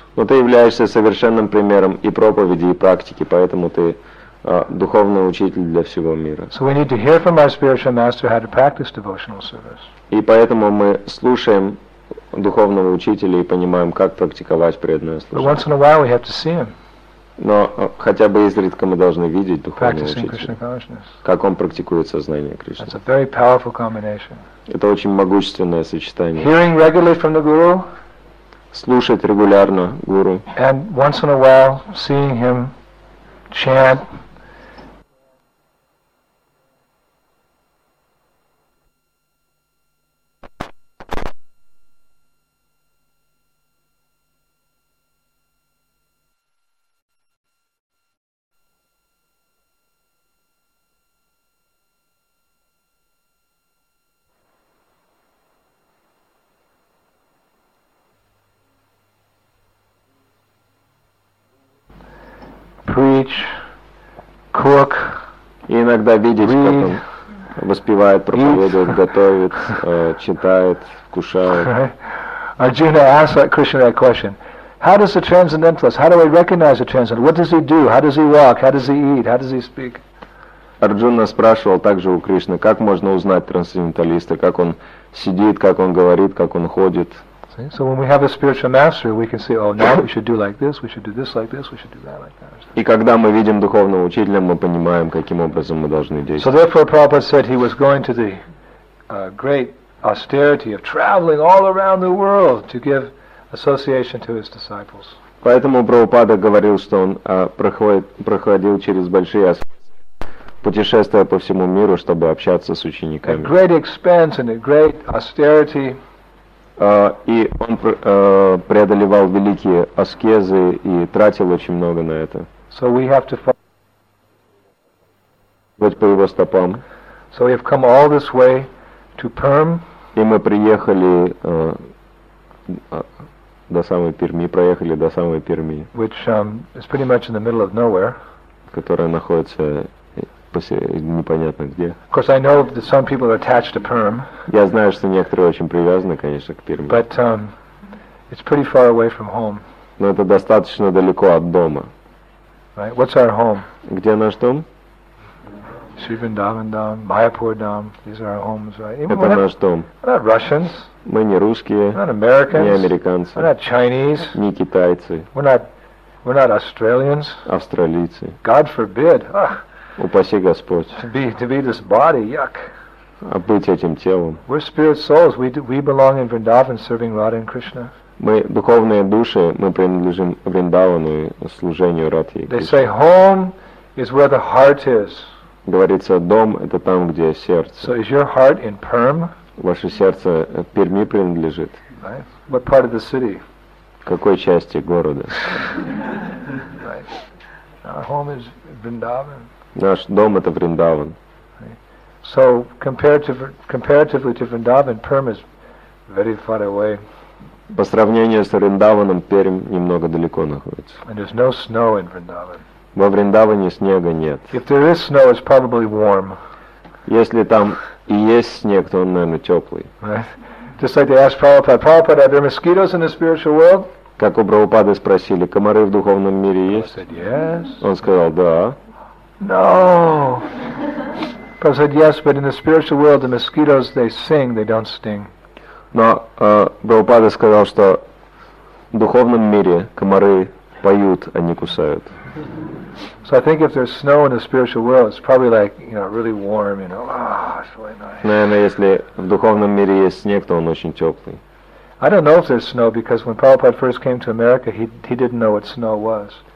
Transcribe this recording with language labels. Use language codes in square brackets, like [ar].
[ru] Но ты являешься совершенным примером и проповеди, и практики, поэтому ты духовный учитель для всего мира. [en] So we need to hear from our spiritual master how to practice devotional service. [ru] И поэтому мы слушаем духовного учителя и понимаем, как практиковать преданное служение. [en] But once in a while we have to see him. [ru] Но хотя бы изредка мы должны видеть духовного учителя, как он практикует сознание Кришны. [en] That's a very powerful combination. [ru] Это очень могущественное сочетание. [en] Hearing regularly from the guru. [ru] Слушать регулярно гуру. [en] And once in a while seeing him chant. Preach, cook, [ru] и иногда видеть, [en] read, [ru] как он воспевает, проповедует, готовит, читает, вкушает. [en] Right? Arjuna asked like Krishna that question. How does the transcendentalist, how do we recognize the transcendentalist? What does he do? How does he walk? How does he eat? How does he speak? [ru] Арджуна спрашивал также у Кришны, как можно узнать трансценденталиста, как он сидит, как он говорит, как он ходит. [en] So when we have a spiritual master, we can say, oh, now we should do like this, we should do this like this, we should do that like that. [ru] И когда мы видим духовного учителя, мы понимаем, каким образом мы должны действовать. [en] So therefore, Prabhupada said he was going to the great austerity of traveling all around the world to give association to his disciples. [ru] Поэтому Прабхупада говорил, что он проходил через большие аскезы, путешествуя по всему миру, чтобы общаться с учениками. [en] At great expense and at great austerity. [ru] И он преодолевал великие аскезы и тратил очень много на это. [en] So we have to follow. [ru] Быть по его стопам. [en] So we have come all this way to Perm. [ru] И мы приехали до самой Перми, проехали до самой Перми. [en] Which is pretty much in the middle of nowhere. [ru] Которая находится непонятно где. [en] Of course, I know that some people are attached to Perm. [ru] Я знаю, что некоторые очень привязаны, конечно, к Перми. [en] But it's pretty far away from home. [ru] Но это достаточно далеко от дома. [en] Right. What's our home? [ru] Где наш дом? [en] Sri Vrindavan Dham, Mayapur Dham. These are our homes, right? [ru] Это наш дом. [en] We're not Russians. [ru] Мы не русские. [en] We're not Americans. [ru] Не американцы. [en] We're not Chinese. [ru] Не китайцы. [en] We're not Australians. [ru] Австралийцы. [en] God forbid. [ru] Упаси Господь. [en] To be this body, yuck. [ru] А быть этим телом. [en] We're spirit souls. We belong in Vrindavan, serving Radha and Krishna. [ru] Мы духовные души, мы принадлежим Вриндавану и служению Радхе. [en] They say home is where the heart is. [ru] Говорится, дом это там, где сердце. [en] So is your heart in Perm? [ru] Ваше сердце в Перми принадлежит. [en] Right. What part of the city? [ru] Какой части города? [en] Right. Our home is Vrindavan. [ru] Наш дом это Вриндаван. [en] Right. So comparatively to Vrindavan, Perm is very far away. [ru] По сравнению с Вриндаваном, Пермь немного далеко находится. [en] And there's no snow in Vrindavan. [ru] Во Вриндаване снега нет. [en] If there is snow, it's probably warm. [ru] Если там и есть снег, то он, наверное, теплый. [en] Right? Just like they asked Prabhupada, Prabhupada, are there mosquitoes in the spiritual world? [ru] Как у Прабхупады спросили, комары в духовном мире есть? [en] Said, yes. [ru] Он сказал, да. [en] No. Prabhupada said, yes, but in the spiritual world, the mosquitoes, they sing, they don't sting. [ru] Но Прабхупада сказал, что в духовном мире комары поют, а не кусают. [en] So I think if there's snow in the spiritual world, it's probably like, you know, really warm, you know, ah, it's really nice. [ru] Наверное, если в духовном мире есть снег, то он очень теплый. [en] I don't know if there's snow, because when Prabhupada first came to America, he didn't know what snow was.